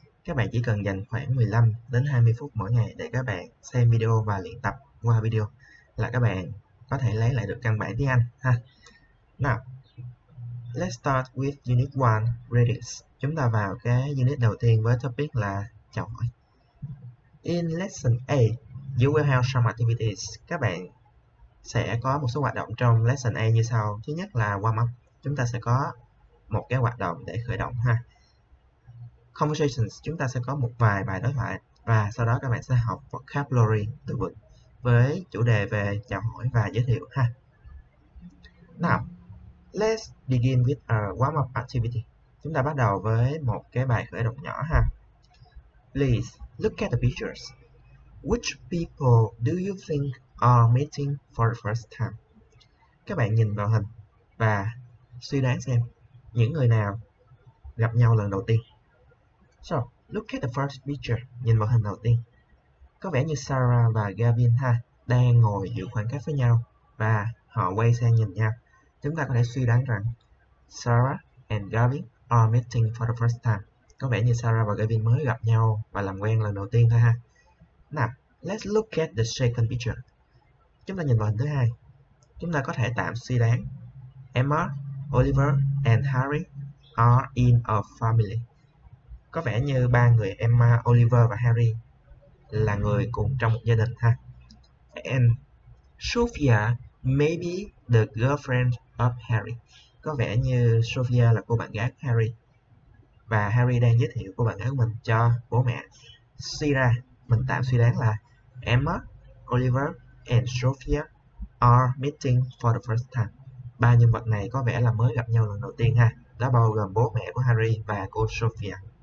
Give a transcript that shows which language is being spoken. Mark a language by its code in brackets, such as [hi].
[vi] Các bạn chỉ cần dành khoảng 15 đến 20 phút mỗi ngày để các bạn xem video và luyện tập qua video là các bạn có thể lấy lại được căn bản tiếng Anh ha. [en] Nào, let's start with unit 1, greetings. [vi] Chúng ta vào cái unit đầu tiên với topic là chào hỏi. [en] In lesson A, you will have some activities. [vi] Các bạn sẽ có một số hoạt động trong lesson A như sau. Thứ nhất là warm up. Chúng ta sẽ có một cái hoạt động để khởi động ha. Conversations, chúng ta sẽ có một vài bài đối thoại và sau đó các bạn sẽ học vocabulary từ vựng với chủ đề về chào hỏi và giới thiệu ha. [en] Now, let's begin with a warm up activity. [vi] Chúng ta bắt đầu với một cái bài khởi động nhỏ ha. [en] Please look at the pictures. Which people do you think are meeting for the first time? [vi] Các bạn nhìn vào hình và suy đoán xem những người nào gặp nhau lần đầu tiên. [en] So, look at the first picture. [vi] Nhìn vào hình đầu tiên. Có vẻ như Sarah và Gavin ha đang ngồi giữ khoảng cách với nhau và họ quay sang nhìn nhau. Chúng ta có thể suy đoán rằng Sarah and Gavin [en] are meeting for the first time. [vi] Có vẻ như Sarah và Gavin mới gặp nhau và làm quen lần đầu tiên thôi ha. [en] Now, let's look at the second picture. [vi] Chúng ta nhìn vào hình thứ hai. Chúng ta có thể tạm suy đoán Emma, Oliver and Harry [en] are in a family. [vi] Có vẻ như ba người Emma, Oliver và Harry là người cùng trong một gia đình ha. [en] And Sophia may be the girlfriend of Harry. [vi] Có vẻ như Sophia là cô bạn gái của Harry. Và Harry đang giới thiệu cô bạn gái của mình cho bố mẹ. Suy ra, mình tạm suy đoán là Emma, Oliver and Sophia [en] are meeting for the first time. [vi] Ba nhân vật này có vẻ là mới gặp nhau lần đầu tiên ha. Đó bao gồm bố mẹ của Harry và cô Sophia.